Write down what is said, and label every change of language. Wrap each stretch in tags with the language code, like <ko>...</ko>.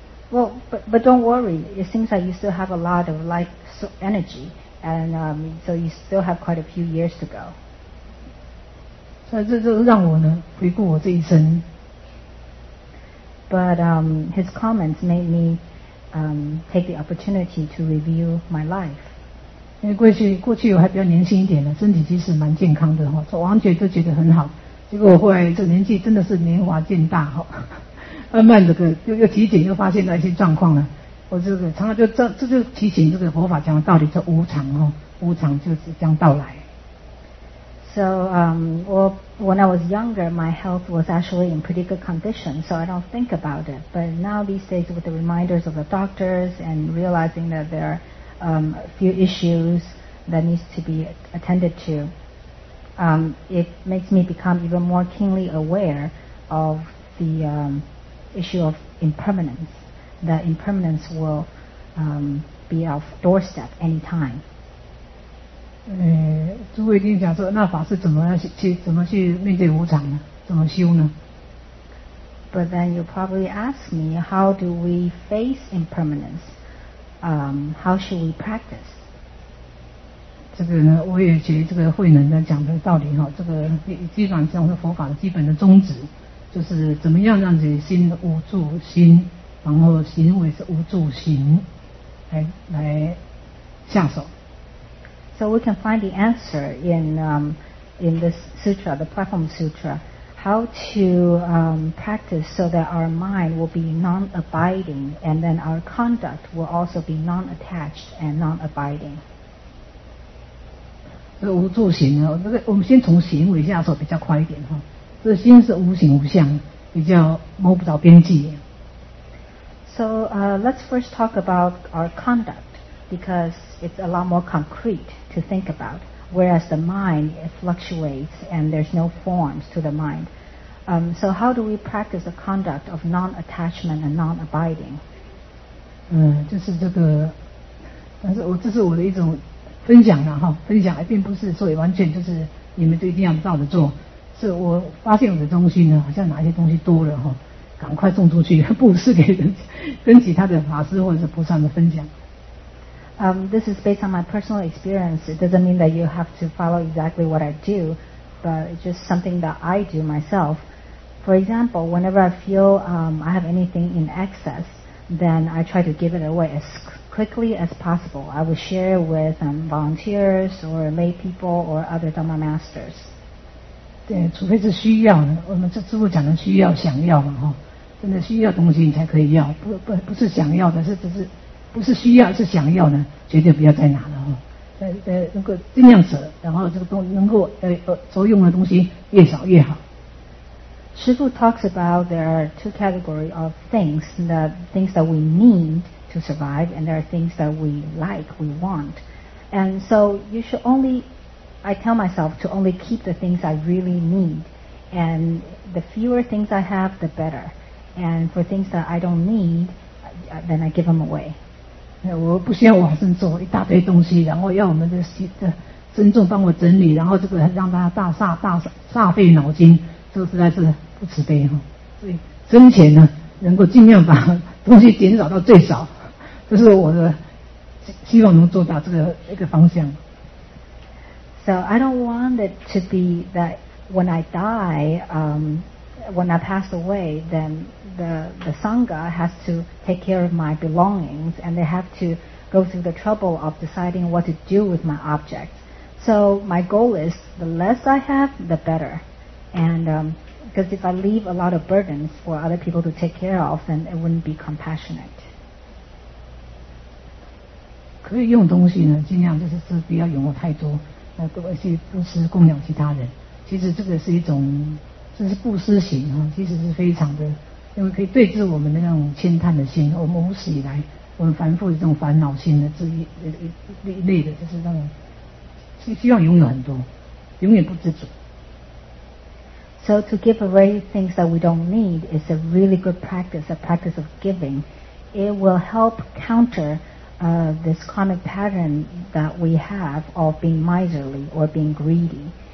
<en>But don't worry, it seems that you still have a lot of life energy, and so you still have quite a few years to go. So this is</en> <zh>让我呢回顾我这一生。</zh> <en>But his comments made me take the opportunity to review my life.</en> <zh>因为过去我还比较年轻一点的，身体其实蛮健康的哈，我完全都觉得很好。结果后来这年纪真的是年华渐大哈，慢慢这个又体检又发现了一些状况了。我这个常常这就提醒这个佛法讲的道理，叫无常哈，无常就是将到来。</zh> <en>So, when I was younger, my health was actually in pretty good condition, so I don't think about it. But now these days, with the reminders of the doctors and realizing that there are a few issues that needs to be attended to. It makes me become even more keenly aware of the issue of impermanence, that impermanence will be our doorstep anytime.</en> <zh>诸位一定想说，那法师怎么去面对无常呢？怎么修呢？</zh> <en>But then you probably ask me, how do we face impermanence? How should we practice?</en> <zh>这个呢，我也觉得这个慧能在讲的道理哈，这个基本上是佛法的基本的宗旨，就是怎么样让自己心无住心，然后行为是无住行，来下手。</zh> <en>So we can find the answer in this sutra, the Platform Sutra, how to practice so that our mind will be non-abiding, and then our conduct will also be non-attached and non-abiding.</en> <zh>这无住行呢，这个我们先从行为下手比较快一点哈。这心是无形无相，比较摸不着边际。</zh> <en>So let's first talk about our conduct, because it's a lot more concrete to think about. Whereas the mind fluctuates and there's no forms to the mind. So how do we practice the conduct of non-attachment and non-abiding?</en> <zh>就是这个，但是这是我的一种分享啦哈，分享还并不是说也完全就是你们都一定要照着做，是我发现我的东西呢，好像哪些东西多了哈，赶快送出去布施给人，跟其他的法师或者是菩萨的分享。</zh> <en>This is based on my personal experience. It doesn't mean that you have to follow exactly what I do, but it's just something that I do myself. For example, whenever I feel I have anything in excess, then I try to give it away as quickly as possible, I will share with volunteers or lay people or other Dhamma masters.</en> <zh>对，除非是需要的，我们这师父讲的需要、想要嘛，哈、哦，真的需要东西你才可以要，不是想要的，是只是不是需要是想要呢，绝对不要再拿了哈、哦。能够尽量舍，然后这个东能够所用的东西越少越好。</zh> <en>师父 talks about there are two categories of things, the things that we need to survive, and there are things that we like, we want. And so you should only, I tell myself to only keep the things I really need. And the fewer things I have, the better. And for things that I don't need, then I give them away.</en> <zh>我不需要往生做一大堆东西，然后要我们的僧众帮我整理，然后这个让大家大费脑筋。这实在是不慈悲哈，所以生前呢，能够尽量把东西减少到最少，这是我的希望能做到这个一个方向。</zh> <en>So I don't want it to be that when I die, when I pass away, then the sangha has to take care of my belongings, and they have to go through the trouble of deciding what to do with my objects. So my goal is the less I have, the better. And because if I leave a lot of burdens for other people to take care of, then it wouldn't be compassionate.</en> <zh>可以用东西呢，尽量就是不要拥有太多，而且布施供养其他人。其实这个是一种，这是布施行啊，其实是非常的，因为可以对治我们的那种悭贪的心。我们无始以来，我们凡夫的这种烦恼心的这一类的，就是那种希望拥有很多，永远不知足。</zh> <en>So to give away things that we don't need is a really good practice, a practice of giving. It will help counter this karmic pattern that we have of being miserly or being greedy.</en>